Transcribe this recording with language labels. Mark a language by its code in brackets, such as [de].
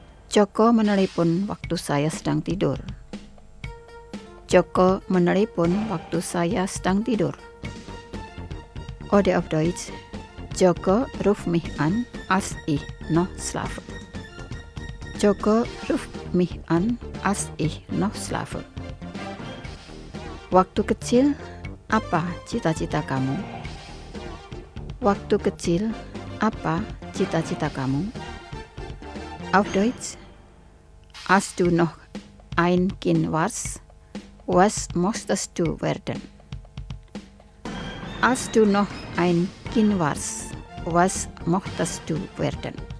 [id] Joko menelepon waktu saya sedang tidur. Joko menelepon waktu saya sedang tidur. [de] Oder auf Deutsch, Joko ruf mich an, als ich noch schlafe. Joko ruf mich an, als ich noch schlafe. [id] Waktu kecil, apa cita-cita kamu? Waktu kecil, apa cita-cita kamu? [de] Auf Deutsch, als du noch ein Kind warst, was musstest du werden? Als du noch ein Kind warst, was mochtest du werden?